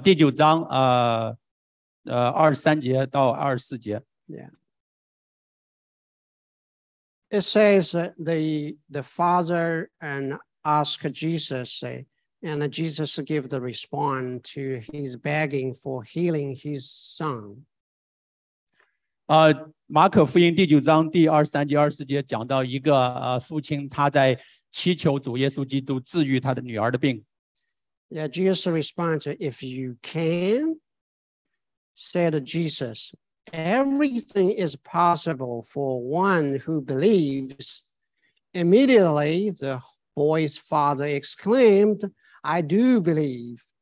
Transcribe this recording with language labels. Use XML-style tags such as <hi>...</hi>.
<zh>第九章23节到24节。 Yeah.</zh> <en>It says the father and ask Jesus, and Jesus give the response to his begging for healing his son.</en> <zh>马可福音第九章第23节24节讲到一个父亲他在祈求主耶稣基督治愈他的女儿的病。</zh> <en>Yeah, Jesus responds, if you can, said Jesus, everything is possible for one who believes. Immediately, the boy's father exclaimed, I do believe.</en>